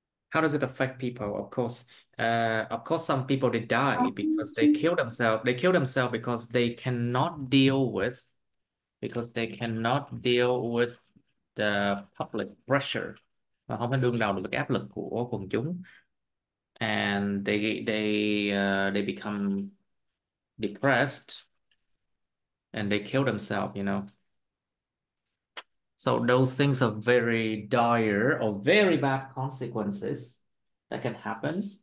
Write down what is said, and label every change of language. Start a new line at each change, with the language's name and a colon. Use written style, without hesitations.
English: How does it affect people? Of course, some people they die because they kill themselves. They kill themselves because they cannot deal with, because they cannot deal with the public pressure.
Vietnamese: Mà không thể đương đầu được áp lực của quần chúng.
English: And they become depressed and they kill themselves, you know. So those things are very dire or very bad consequences that can happen.